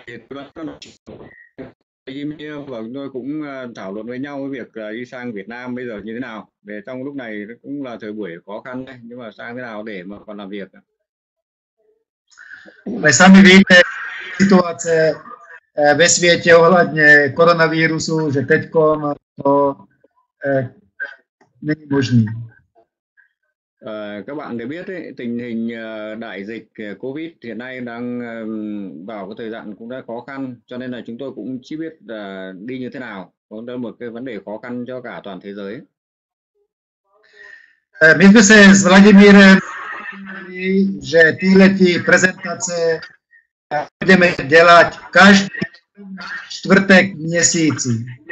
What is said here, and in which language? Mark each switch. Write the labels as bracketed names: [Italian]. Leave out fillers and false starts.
[Vietnamese] Vladimír và tôi cũng thảo luận với nhau việc đi sang Việt Nam bây giờ như thế nào. Để trong lúc này cũng là thời buổi khó khăn đấy, nhưng mà sang thế nào để mà còn làm việc. [Czech] Vậy sami víte, situace ve světě ohledně koronavírusu, že teďko to není možné. [Vietnamese] Các bạn đều biết ấy, tình hình đại dịch COVID hiện nay đang vào cái thời gian cũng đã khó khăn, cho nên là chúng tôi cũng chỉ biết đi như thế nào, cũng là một cái vấn đề khó khăn cho cả toàn thế giới. [Czech] My jsme se s Vladimírem, že týhletí prezentace budeme dělat každý čtvrtek měsíci.